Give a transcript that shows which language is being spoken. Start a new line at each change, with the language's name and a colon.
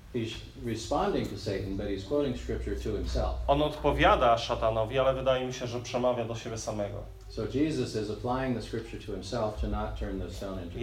English: He's responding to Satan, but he's quoting scripture to himself.
Polish: On odpowiada szatanowi, ale wydaje mi się, że przemawia do siebie samego.
English: So Jesus is applying the scripture to himself to not turn the stone into bread.